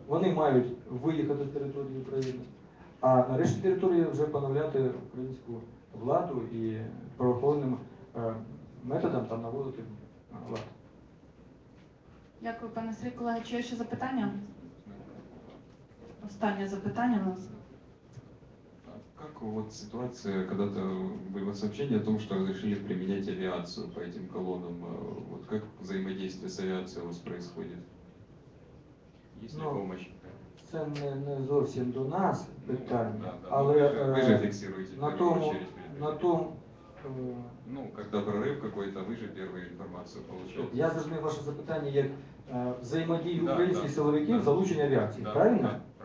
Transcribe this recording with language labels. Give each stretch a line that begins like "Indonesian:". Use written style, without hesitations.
Ukrainian: Вони мають виїхати з території України, а на решті території вже поновляти українську владу і правоохоронним методом там наводити владу. Дякую, пане Сергій. Колеги, чи є ще запитання? Останнє запитання у нас.
Russian: Как вот ситуация, когда-то было сообщение о том, что разрешили применять авиацию по этим колоннам, вот как взаимодействие с авиацией у вас происходит? Есть ли помощь?
Ukrainian: Це не зовсім до нас питання, ви же фіксируєте на тому,
Russian: когда прорив какой-то, ви же первую інформацію получаєте.
Ukrainian: Я зрозумів ваше запитання як взаємодію українських силовиків, залучення авіації, правильно?